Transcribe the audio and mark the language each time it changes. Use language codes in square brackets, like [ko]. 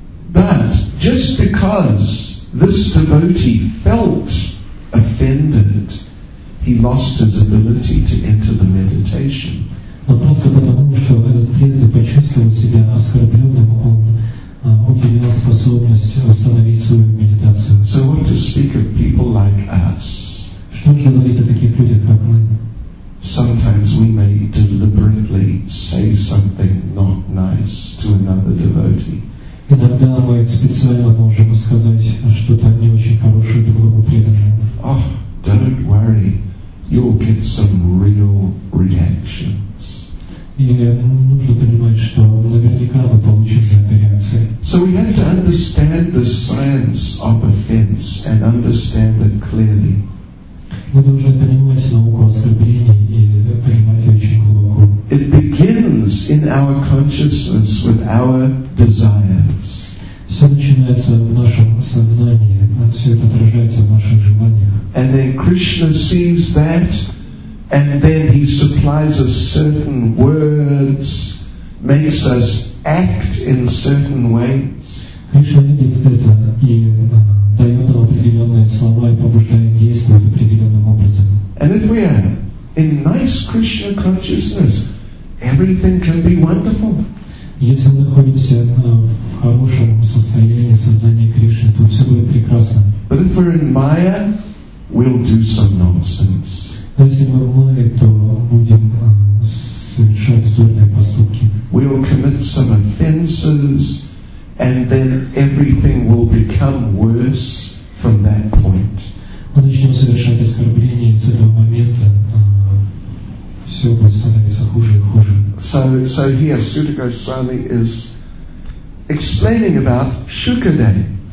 [en] But just because this devotee felt offended, he lost his ability to enter the meditation. [ru] Но просто потому, что этот преданный почувствовал себя оскорбленным, он утерял способность восстановить свою медитацию. [en] So what to speak of people like us? [ru] Что же говорить о таких людях, как мы? [en] Sometimes we may deliberately say something not nice to another devotee. [ru] Иногда мы специально можем сказать что-то не очень хорошее другому преданному. [en] Oh, don't worry, you'll get some real reaction. [ru] И нужно понимать, что наверняка мы получим за это реакции. [en] So we have to understand the science of offense and understand it clearly. [ru] Мы должны понимать науку оскорбления и понимать ее очень глубоко. [en] It begins in our consciousness with our desires. [ru] Все начинается в нашем сознании, все это отражается в наших желаниях. [en] And then Krishna sees that. And then he supplies us certain words, makes us act in certain ways. [ru] Кришна видит это и дает нам определенные слова и побуждает действовать определенным образом. [en] And if we are in nice Krishna consciousness, everything can be wonderful. [ru] Если мы находимся в хорошем состоянии сознания Кришны, то все будет прекрасно. [en] But if we're in Maya, we'll do some nonsense. [ru] Но если мы в мае, то будем совершать зольные поступки. [en] We'll commit some offenses, and then everything will become worse from that point. [ru] Мы начнем совершать оскорбления, и с этого момента все будет становиться хуже и хуже. [en] So here Sudha Goswami is explaining about Shukadeva.